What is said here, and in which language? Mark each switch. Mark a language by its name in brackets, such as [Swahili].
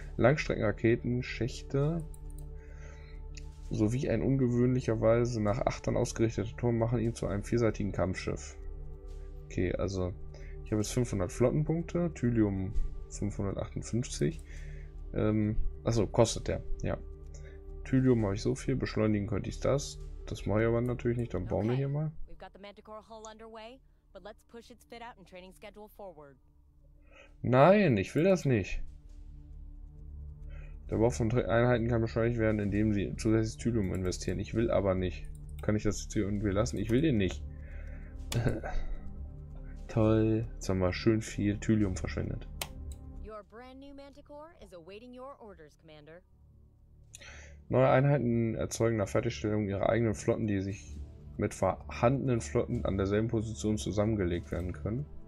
[German] Langstreckenraketen, Schächte. Sowie ein ungewöhnlicherweise nach Achtern ausgerichteter Turm machen ihn zu einem vierseitigen Kampfschiff. Okay, also ich habe jetzt 500 Flottenpunkte, Thylium 558. Achso, kostet der, ja. Thylium habe ich so viel, beschleunigen könnte ich das. Das mache ich aber natürlich nicht, dann bauen wir hier mal. [English] We've got the Manticore hull underway, but let's push its fit out and training schedule forward. [German] Nein, ich will das nicht. Der Bau von Einheiten kann beschleunigt werden, indem sie zusätzlich Thylium investieren. Ich will aber nicht. Kann ich das jetzt hier irgendwie lassen? Ich will den nicht. Toll. Jetzt haben wir schön viel Thylium verschwendet. [English] Your brand new Manticore is awaiting your orders, Commander. [German] Neue Einheiten erzeugen nach Fertigstellung ihre eigenen Flotten, die sich mit vorhandenen Flotten an derselben Position zusammengelegt werden können.